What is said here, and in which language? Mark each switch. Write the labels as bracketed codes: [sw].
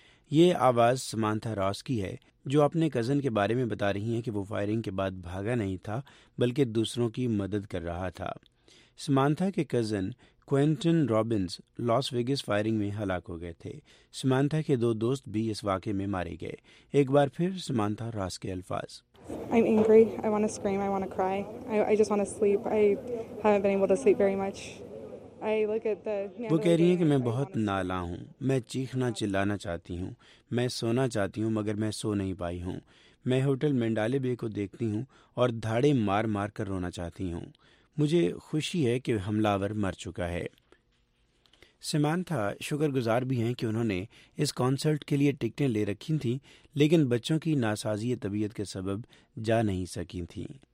[ur] یہ آواز سمانتھا راس کی ہے جو اپنے کزن کے بارے میں بتا رہی ہیں کہ وہ فائرنگ کے بعد بھاگا نہیں تھا بلکہ دوسروں کی مدد کر رہا تھا. سمانتھا کے کزن کوئنٹن رابنز لاس ویگس فائرنگ میں ہلاک ہو گئے تھے. سمانتھا کے دو دوست بھی اس واقعے میں مارے گئے. ایک بار پھر سمانتھا راس کے الفاظ. [en] I'm angry. I want to scream. I want to cry. I just want to sleep. I haven't been able to sleep very much. [ur] وہ کہہ رہی ہیں کہ میں بہت نالا ہوں. میں چیخنا چلانا چاہتی ہوں. میں سونا چاہتی ہوں مگر میں سو نہیں پائی ہوں. میں ہوٹل مینڈالے بے کو دیکھتی ہوں اور دھاڑے مار مار کر رونا چاہتی ہوں. مجھے خوشی ہے کہ حملہور مر چکا ہے. سمانتھا شکر گزار بھی ہیں کہ انہوں نے اس کانسرٹ کے لیے ٹکٹیں لے رکھی تھیں لیکن بچوں کی ناسازی طبیعت کے سبب جا نہیں سکی تھیں.